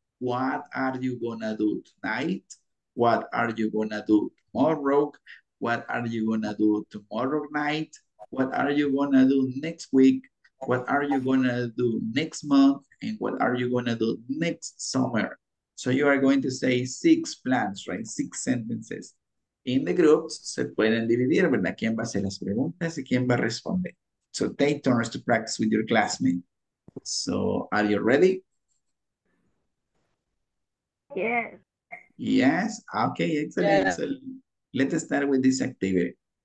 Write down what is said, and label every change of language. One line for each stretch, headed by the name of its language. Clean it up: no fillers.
English: What are you gonna do tonight? What are you gonna do tomorrow? What are you gonna do tomorrow night? What are you gonna do next week? What are you gonna do next month? And what are you gonna do next summer? So you are going to say six plans, right? Six sentences. In the groups,
Spanish: se pueden dividir, ¿verdad? ¿Quién va a hacer las preguntas y quién va a responder?
English: So take turns to practice with your classmate. So are you ready? Yes. Yes? Okay, excellent. Yeah. So let's start with this activity.